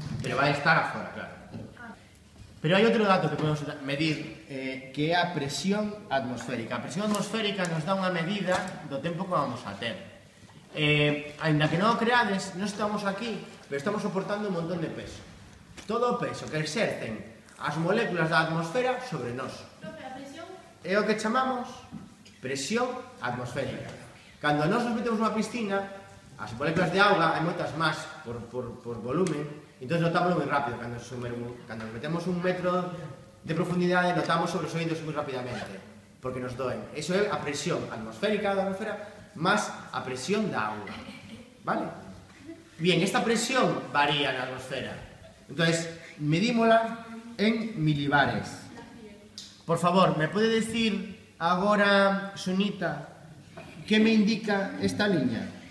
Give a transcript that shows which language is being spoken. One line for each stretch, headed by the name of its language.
Spanish: Pero va a estar afuera, claro. Pero hay otro dato que podemos medir, que es la presión atmosférica. La presión atmosférica nos da una medida del tiempo que vamos a tener.
Galician: Ainda que
Spanish: no lo creades, no estamos aquí, pero estamos soportando un montón de peso.
Galician: Todo o peso que exercen as moléculas da atmosfera sobre nós. É o que chamamos presión atmosférica. Cando nós nos metemos unha piscina, as moléculas de auga, hai moitas máis por volume, entón notámoslo moi rápido. Cando nos metemos un metro de profundidade, notamos sobre os oídos moi rapidamente, porque nos doen. Eso é a presión atmosférica da atmosfera máis a presión da auga. Vale? Bien, esta presión varía na atmosfera. Entón, medímola en milibares.
Spanish: Por favor, ¿me puede decir agora, Sunita, qué me indica esta liña?